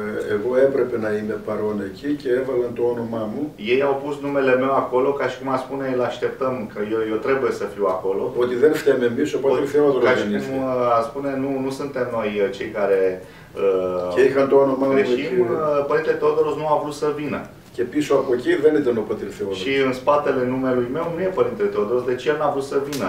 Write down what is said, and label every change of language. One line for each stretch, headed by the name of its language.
Greek: Εγώ έπρεπε να είμαι παρόν εκεί και έβαλαν το όνομά μου.
Romanian: Ei au pus numele meu acolo ca și cum ar spune îl așteptăm că eu trebuie să fiu acolo.
Greek: Ότι δεν φταίμε εμείς, οπότε ο Θεός οργανίζει.
Romanian: Ca și cum ar spune nu suntem noi cei care
Greek: και είχαν το όνομά μου εκεί.
Romanian: Părinte Teodoros nu a vrut să vină.
Greek: Και πίσω από εκεί δεν ήταν ο Πατήρ Θεόδωρος.
Romanian: Și în spatele numelui meu nu e Părinte Teodoros, deci el n-a vrut să vină.